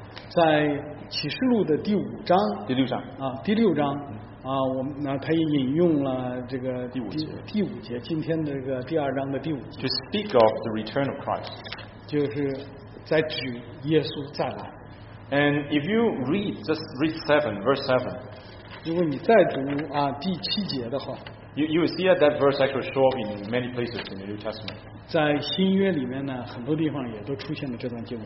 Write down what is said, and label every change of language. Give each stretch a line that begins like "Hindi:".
Chinese: 在启示录的第五章，他也引用了这个第五节，今天的这个第二章的第五节。
English: To speak of the return of Christ.
Chinese: 就是。
English: And if you read verse 7,
Chinese: 如果你再读第七节的话,
English: you will see that that verse actually show up in many places in the New Testament.
Chinese: 在新约里面呢，很多地方也都出现了这段经文。